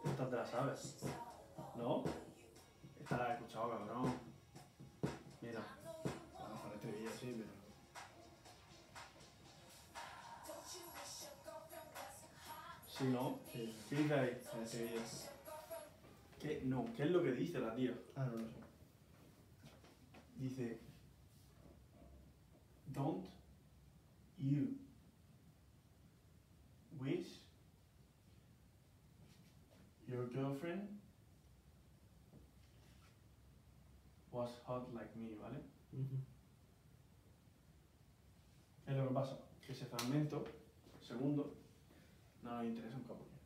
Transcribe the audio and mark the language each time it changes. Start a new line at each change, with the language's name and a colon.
Spanish: Te la sabes. ¿No? Esta la he escuchado, cabrón. Mira. A lo mejor este vídeo sí, pero... ¿Sí, no? Sí. ¿Qué dice ahí? En este vídeo. ¿Qué? No, ¿qué es lo que dice la tía? Ah, no lo sé. Dice...
English: Don't you wish your girlfriend was hot like me, ¿vale? Uh-huh.
Spanish: Es lo que pasa, que ese fragmento, segundo, no me interesa un poco.